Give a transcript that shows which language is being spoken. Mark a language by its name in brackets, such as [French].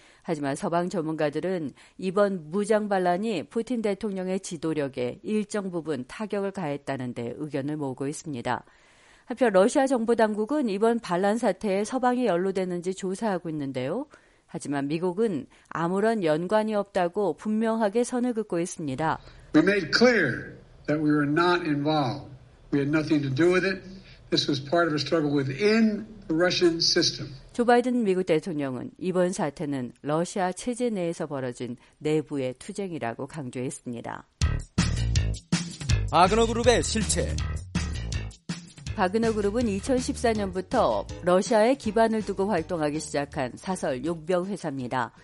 [Korean] 하지만 서방 전문가들은 이번 무장 반란이 푸틴 대통령의 지도력에 일정 부분 타격을 가했다는 데 의견을 모으고 있습니다. 한편 러시아 정부 당국은 이번 반란 사태에 서방이 연루됐는지 조사하고 있는데요. 하지만 미국은 아무런 연관이 없다고 분명하게 선을 긋고 있습니다. [English] We made clear that we were not involved. We had nothing to do with it. This was part of a struggle within the Russian system. [Korean] 조 바이든 미국 대통령은 이번 사태는 러시아 체제 내에서 벌어진 내부의 투쟁이라고 강조했습니다. 바그너 그룹의 실체. 바그너 그룹은 2014년부터 러시아에 기반을 두고 활동하기 시작한 사설 용병 회사입니다.